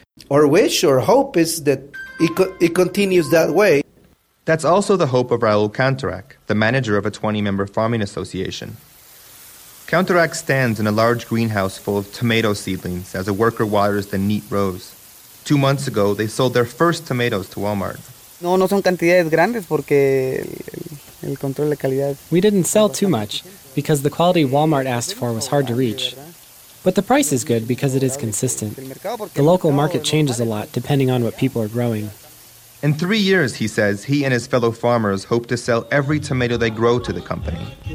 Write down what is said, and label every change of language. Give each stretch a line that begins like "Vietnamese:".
English: Our wish or hope is that it continues that way. That's also the hope of Raul Cantarac, the manager of a 20-member farming association. Cantarac stands in a large greenhouse full of tomato seedlings as a worker waters the neat rows. 2 months ago, they sold their first tomatoes to Walmart.
Spanish: No son cantidades grandes porque el control de calidad.
English: We didn't sell too much because the quality Walmart asked for was hard to reach. But the price is good because it is consistent. The local market changes a lot depending on what people are growing. In 3 years, he says, he and his fellow farmers hope to sell every tomato they grow to the company.